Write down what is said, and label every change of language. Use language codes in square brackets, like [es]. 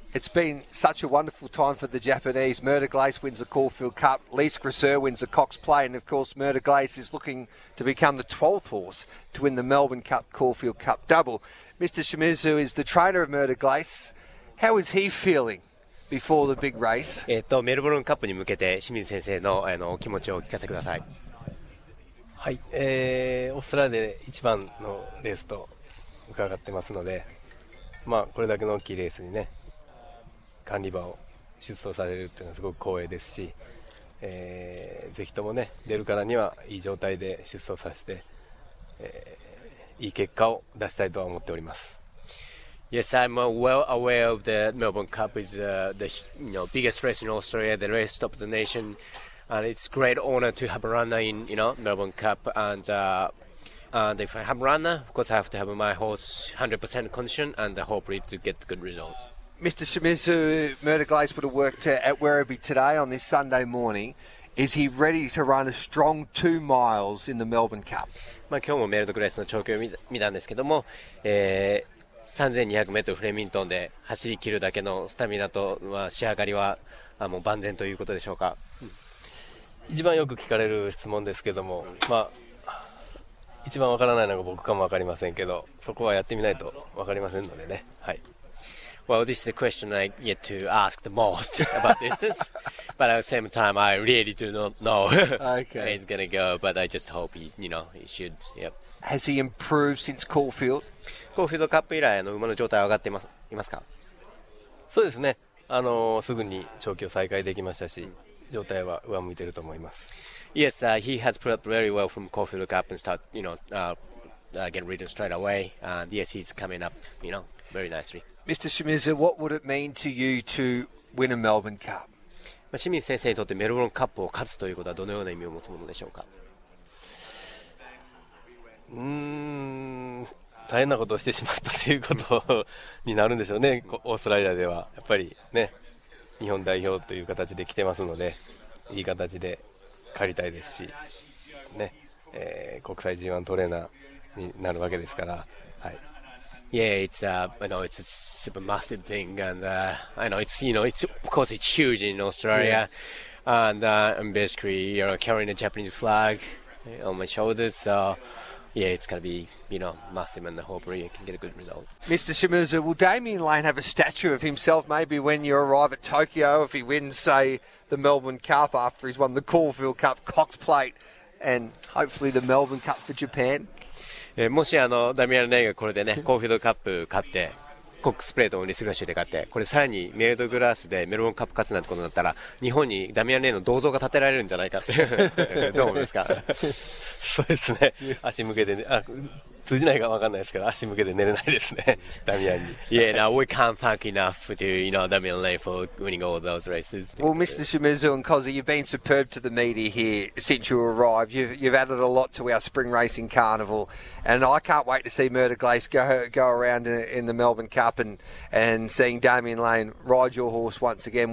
[en] It's been such a wonderful time for the Japanese. Murder Glaze wins the Caulfield Cup. Liz Grishu wins the Cox Plate. And, of course, Murder Glaze is looking to become the 12th horse to win the Melbourne Cup Caulfield Cup double. Mr. Shimizu is the trainer of Murder Glaze. How is he feeling before the big race? [ja] メルボルンカップに向けて清水先生の、あの、気持ちを聞かせください。はい、オーストラリアで一番のレースと伺ってますので、まあ、これだけの大きいレースにね、管理馬を出走されるっていうのはすごく光栄ですし、ぜひともね、出るからにはいい状態で出走させて、いい結果を出したいとは思っております。 [en] Yes, I'm well aware of the Melbourne Cup is the biggest race in Australia, the race top of the nation, and it's a great honor to have a runner in Melbourne Cup. And if I have a runner, of course, I have to have my horse 100% condition, and hopefully to get good results. Mr. Shimizu, Murder Glaze would have worked at Werribee today on this Sunday morning. Is he ready to run a strong 2 miles in the Melbourne Cup? [ja] まあ今日もメルドグレースの調教を見たんですけども、3200m フレミントンで走り切るだけのスタミナと仕上がりはもう万全ということでしょうか。一番よく聞かれる質問ですけども、まあ、一番わからないのが僕かもわかりませんけど、そこはやってみないとわかりませんのでね。はい。 [en] Well, this is a question I get to ask the most about distance, but at the same time, I really do not know okay. how he's going to go, but I just hope he should, yep. Has he improved since Caulfield? [ja] Caulfield Cup 以来の馬の状態は上がっていますか？そうですね。あの、すぐに調教再開できましたし、状態は上向いていると思います。 [en] Yes, he has put up very well from Caulfield Cup and start, get ridden straight away. And yes, he's coming up, very nicely. Mr. Shimizu, what would it mean to you to win a Melbourne Cup? [ja] 清水先生にとってメルボルンカップを勝つということはどのような意味を持つものでしょうか？大変なことをしてしまったということになるんでしょうね。オーストラリアではやっぱりね、日本代表という形で来てますので、いい形で借りたいですし、ね、国際 G1 トレーナーになるわけですから、はい。 [en] Yeah, it's you know, it's a super massive thing, and I know it's, you know, it's of course it's huge in Australia, yeah. And I'm basically, you know, carrying a Japanese flag on my shoulders, so yeah, it's gonna be, you know, massive, and hopefully I can get a good result. Mr. Shimizu, will Damien Lane have a statue of himself maybe when you arrive at Tokyo if he wins, say, the Melbourne Cup after he's won the Caulfield Cup, Cox Plate, and hopefully the Melbourne Cup for Japan? [ja] もしあのダミアン・レインがこれでねコーフィードカップ勝って、コックスプレートをリスクラッシュで勝って、これさらにメイドグラスでメルボンカップ勝つなんてことになったら、日本にダミアン・レインの銅像が建てられるんじゃないかっていうどう思いますか？そうですね、足向けて、ね、あ、通じないか分かんないですけど、足向けて寝れないですねダミアンに。 [en] Yeah, now we can't thank enough to, you know, Damien Lane for winning all those races. Well, Mr. Shimizu and Cozzy, you've been superb to the media here since you arrived. You've added a lot to our spring racing carnival, and I can't wait to see Murder Glace go around in the Melbourne Cup and seeing Damien Lane ride your horse once again.